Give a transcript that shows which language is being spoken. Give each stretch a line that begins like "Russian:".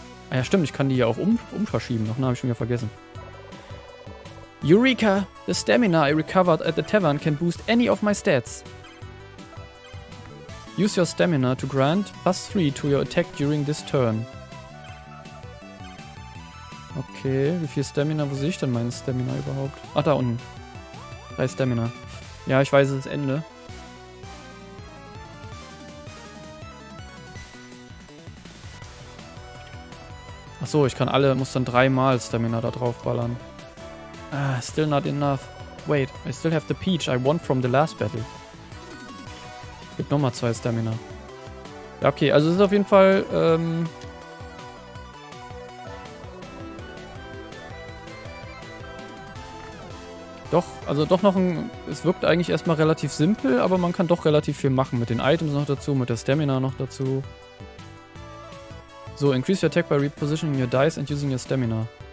German: Ah ja, stimmt, ich kann die ja auch umverschieben. Noch, ne, hab ich schon wieder vergessen. Eureka!
English: The stamina I recovered at the tavern can boost any of my stats. Use your stamina to grant plus 3 to your attack during this turn.
German: Okay, wie viel Stamina, wo sehe ich denn meine Stamina überhaupt? Ach, da unten. 3 Stamina. Ja, ich weiß, es ist Ende. Ach so, ich kann alle, muss dann 3-mal Stamina da drauf ballern.
English: Ah, still not enough. Wait, I still have the peach I won from the last battle.
German: Gibt nochmal 2 Stamina. Ja, okay, also es ist auf jeden Fall, doch, also doch noch ein, es wirkt eigentlich erstmal relativ simpel, aber man kann doch relativ viel machen. Mit den Items noch dazu, mit der Stamina noch dazu.
English: So, increase your attack by repositioning your dice and using your stamina.